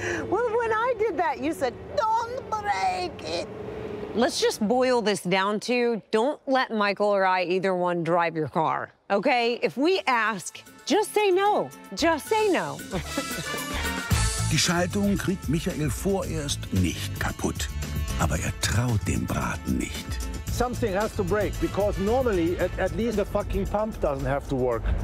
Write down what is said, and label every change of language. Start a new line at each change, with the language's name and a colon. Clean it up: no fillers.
English: Well, when I did that, you said, don't break it. Let's just boil this down to, don't let Michael or I, either one, drive your car, okay? If we ask, just say no, just say no.
German: Die Schaltung kriegt Michael vorerst nicht kaputt, aber er traut dem Braten nicht.
English: Something has to break, because normally at least the fucking pump doesn't have to work.